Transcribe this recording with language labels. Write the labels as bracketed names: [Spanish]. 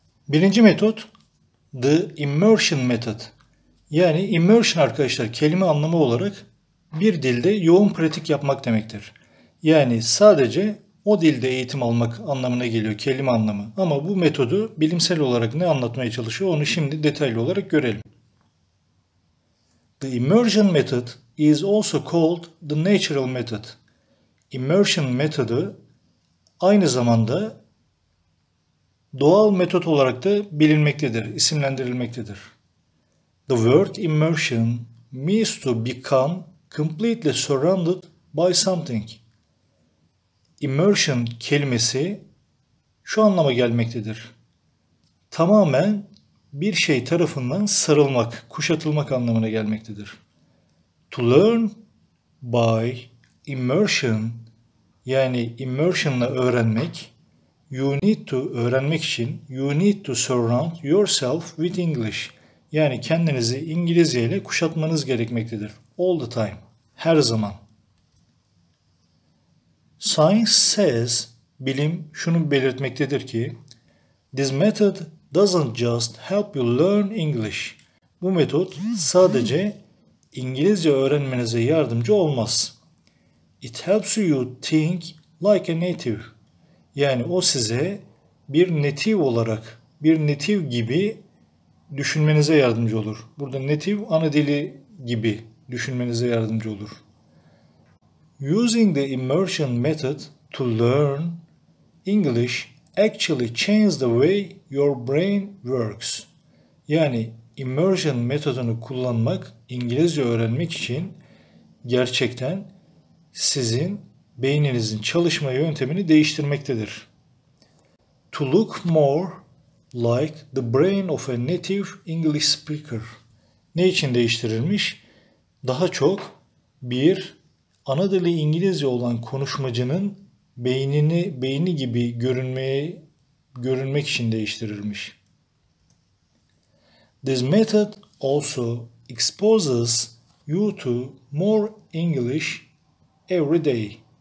[Turkish] Birinci metot, the immersion method. Yani immersion arkadaşlar kelime anlamı olarak bir dilde yoğun pratik yapmak demektir. Yani sadece o dilde eğitim almak anlamına geliyor kelime anlamı. Ama bu metodu bilimsel olarak ne anlatmaya çalışıyor onu şimdi detaylı olarak görelim. [English] The immersion method is also called the natural method. [Turkish] Immersion metodu aynı zamanda doğal metot olarak da bilinmektedir, isimlendirilmektedir. [English] The word immersion means to become completely surrounded by something. [Turkish] Immersion kelimesi şu anlama gelmektedir. Tamamen bir şey tarafından sarılmak, kuşatılmak anlamına gelmektedir. [English] To learn by immersion, [Turkish] yani immersion'la öğrenmek, [English] you need to surround yourself with English. [Turkish] Yani kendinizi İngilizce ile kuşatmanız gerekmektedir. [English] All the time. [Turkish] Her zaman. [English] Science says, [Turkish] bilim şunu belirtmektedir ki, [English] this method doesn't just help you learn English. [Turkish] Bu metot sadece İngilizce öğrenmenize yardımcı olmaz. [English] It helps you think like a native. [Turkish] Yani o size bir native olarak, bir native gibi düşünmenize yardımcı olur. Burada native ana dili gibi düşünmenize yardımcı olur. [English] Using the immersion method to learn English actually changes the way your brain works. [Turkish] Yani immersion metodunu kullanmak İngilizce öğrenmek için gerçekten sizin beyninizin çalışma yöntemini değiştirmektedir. [English] To look more like the brain of a native English speaker. [Turkish] Ne için değiştirilmiş? Daha çok bir ana dili İngilizce olan konuşmacının beyni gibi görünmek için değiştirilmiş. [English] This method also exposes you to more English every day.